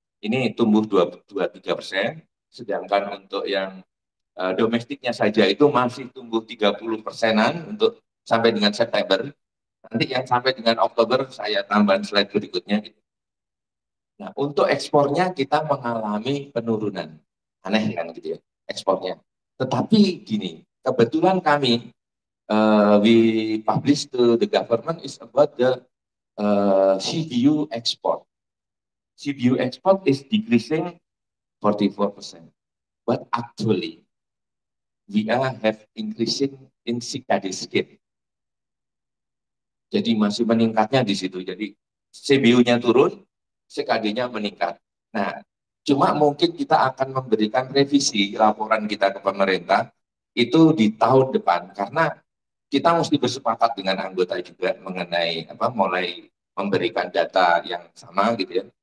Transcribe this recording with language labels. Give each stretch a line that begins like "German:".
Indonesian: Ini tumbuh 23%, sedangkan untuk yang domestiknya saja itu masih tumbuh 30%-an untuk sampai dengan September. Nanti yang sampai dengan Oktober saya tambahin slide berikutnya gitu. Nah, untuk ekspornya kita mengalami penurunan. Aneh kan gitu ya. Ekspornya. Tetapi gini, kebetulan kami
English: we publish to the government is about the CBU export. CBU export is decreasing 44%. But actually, we are have increasing in Cicadis skin.
Indonesian: Jadi masih meningkatnya di situ. Jadi CBU-nya turun, Cicadis-nya meningkat. Nah, cuma mungkin kita akan memberikan revisi laporan kita ke pemerintah itu di tahun depan karena kita mesti bersepakat dengan anggota juga mengenai apa mulai memberikan data yang sama gitu ya.